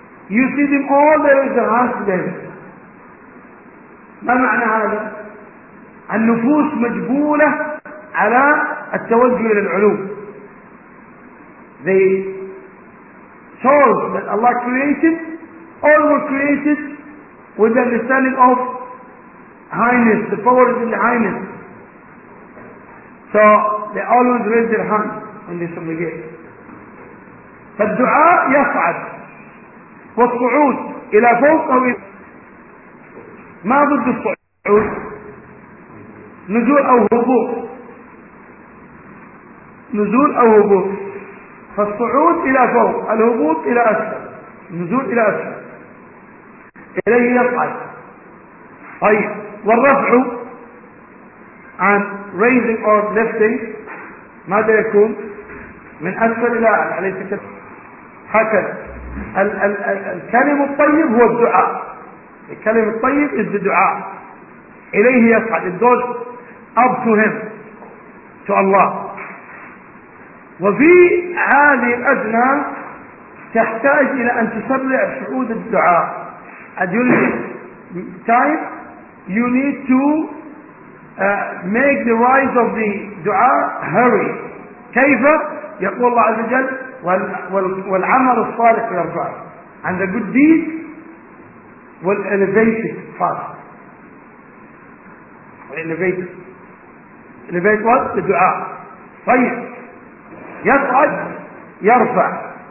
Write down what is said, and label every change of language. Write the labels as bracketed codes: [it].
[en] You see them all there with their hands to heaven. [ar] ما معنى هذا؟ النفوس مجبولة على التوجه إلى العلوم. [en] The souls that Allah created, all were created with the understanding of highness, the power of the highness. So they always raise their hands when they supplicate. [ar] فالدعاء يصعد والصعود إلى فوق أو إلى ما ضد الصعود؟ نزول أو هبوط. نزول أو هبوط. فالصعود إلى فوق، الهبوط إلى أسفل، نزول إلى أسفل، إليه يصعد. طيب، والرفع عن [en] raising or lifting [ar] ماذا يكون؟ من أسفل إلى أعلى، أليس كذلك؟ هكذا. الكلم الطيب هو الدعاء. الكلم الطيب [en] is the [ar] دعاء. إليه يصعد. [en] It goes up to him, to Allah. [ar] وفي هذه الأزمة تحتاج إلى أن تسرع صعود الدعاء. [en] And you need time. You need to make the rise of the دعاء hurry. [ar] كيف؟ يقول الله عز وجل والعمل الصالح يرفع. [en] And the good deed will elevate it fast. Elevate what? The [ar] دعاء. طيب. يصعد يرفع.